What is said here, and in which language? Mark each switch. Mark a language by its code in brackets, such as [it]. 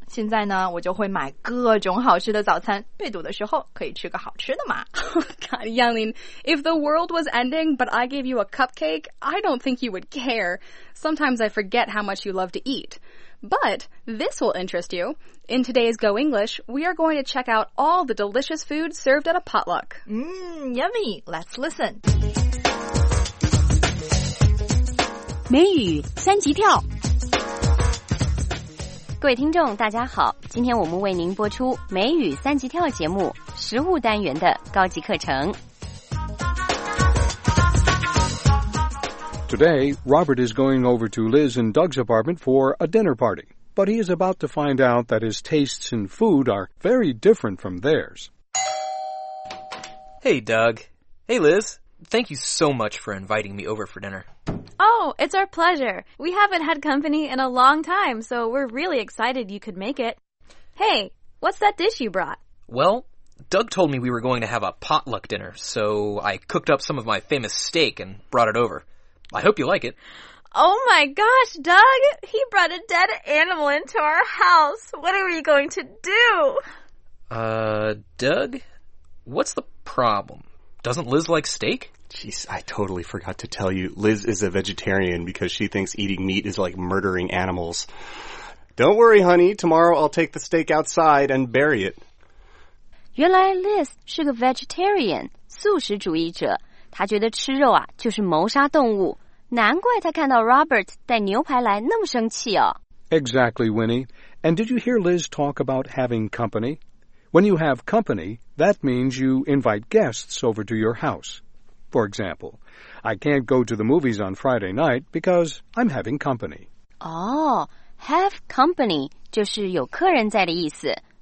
[zh] 现在呢，我就会买各种好吃的早餐，被堵的时候可以吃个好吃的嘛。 [en] God, Yanling, if the world was ending but I gave you a cupcake, I don't think you would care. Sometimes I forget how much you love to eat. But this will interest you. In today's Go English, we are going to check out all the delicious food served at a potluck. Yummy! Let's listen. [zh] 美语三级跳。各位听众，大家好，今天我们为您播出美语三级跳节目食物单元的高级课程。 [en] Today, Robert is going over to Liz and Doug's apartment for a dinner party, but he is about to find out that his tastes in food are very different from theirs. Hey, Doug. Hey, Liz. Thank you so much for inviting me over for dinner. Oh, it's our pleasure. We haven't had company in a long time, so we're really excited you could make it. Hey, what's that dish you brought? Well, Doug told me we were going to have a potluck dinner, so I cooked up some of my famous steak and brought it over. I hope you like it. Oh my gosh, Doug! He brought a dead animal into our house. What are we going to do? Doug? What's the problem? Doesn't Liz like steak? Jeez, I totally forgot to tell you. Liz is a vegetarian because she thinks eating meat is like murdering animals. Don't worry, honey. Tomorrow I'll take the steak outside and bury it. [zh] 原来 Liz 是个 vegetarian, 素食主义者。他觉得吃肉啊就是谋杀动物，难怪他看到 Robert 带牛排来那么生气哦。 [en] Exactly, Winnie. And did you hear Liz talk about having company? When you have company, that means you invite guests over to your house. For example, I can't go to the movies on Friday night because I'm having company. [zh] Oh, have company 就是有客人在的意思。